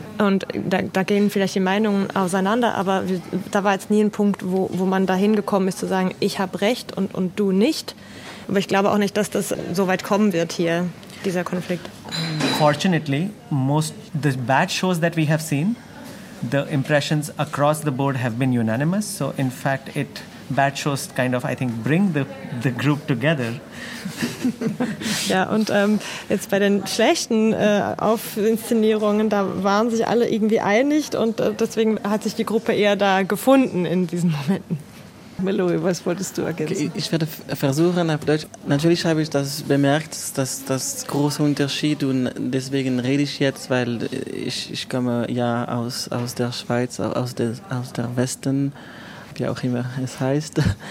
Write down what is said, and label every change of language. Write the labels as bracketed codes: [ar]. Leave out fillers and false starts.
[de] Und da gehen vielleicht die Meinungen auseinander, aber da war jetzt nie ein Punkt, wo man da hingekommen ist, zu sagen, ich habe recht und du nicht. Aber ich glaube auch nicht, dass das so weit kommen wird hier, dieser Konflikt. [en] Fortunately, most the bad shows that we have seen, the impressions across the board have been unanimous. So in fact, it bad shows kind of, I think, bring the group together. [de] Ja, und jetzt bei den schlechten Aufinszenierungen, da waren sich alle irgendwie einig und deswegen hat sich die Gruppe eher da gefunden in diesen Momenten. Meloy, was wolltest du ergänzen? Okay, ich werde versuchen auf Deutsch. Natürlich habe ich das bemerkt, dass das große Unterschied und deswegen rede ich jetzt, weil ich komme ja aus der Schweiz, aus der Westen, wie auch immer es heißt.